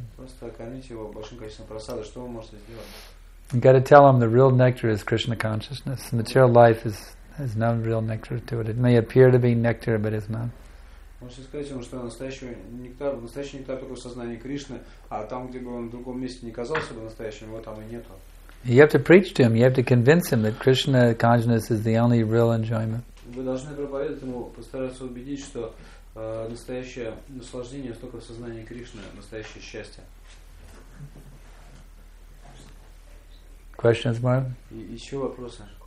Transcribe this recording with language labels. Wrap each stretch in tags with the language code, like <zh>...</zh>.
<ru>Просто кормите его большим количеством просады. Что вы можете сделать?</ru> <en>You got to tell him the real nectar is Krishna consciousness. Material life has no real nectar to it. It may appear to be nectar, but it's not.</en> <ru>Можете сказать ему, что настоящий нектар только в сознании Кришны, а там, где бы он в другом месте не казался бы настоящим, его там и нету.</ru> <en>You have to preach to him. You have to convince him that Krishna consciousness is the only real enjoyment.</en> <ru>Вы должны проповедовать ему, постараться убедить, что настоящее наслаждение только в сознании Кришны, настоящее счастье.</ru> <en>Questions, Mark?</en> <ru>Еще вопросы?</ru>